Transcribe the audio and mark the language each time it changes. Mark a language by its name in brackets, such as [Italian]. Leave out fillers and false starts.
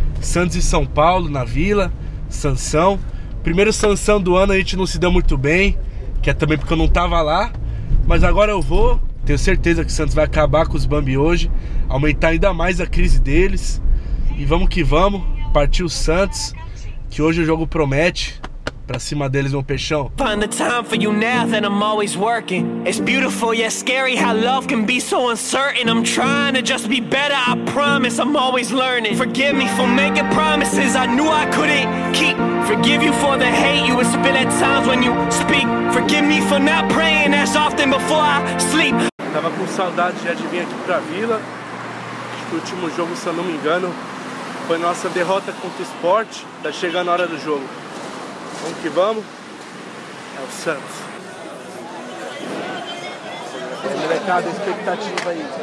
[Portuguese] Santos e São Paulo na Vila. Sansão. Primeiro Sansão do ano, a gente não se deu muito bem. Que é também porque eu não tava lá. Mas agora eu vou. Tenho certeza que o Santos vai acabar com os Bambi hoje. Aumentar ainda mais a crise deles. E vamos que vamos. Partiu o Santos. Que hoje o jogo promete. Pra cima deles, meu peixão. [English] Find the time for you now that I'm always working. It's beautiful yet scary how love can be so uncertain. I'm trying to just be better, I promise I'm always learning. Forgive me for making promises I knew I couldn't keep. Forgive you for the hate you spit at times when you speak. Forgive me for not praying as often before I sleep. [Portuguese] Tava com saudade já de vir aqui pra vila. Acho que o último jogo, se eu não me engano, foi nossa derrota contra o Sport. Tá chegando a hora do jogo. Vamos que vamos, é o Santos. É, molecada, expectativa aí.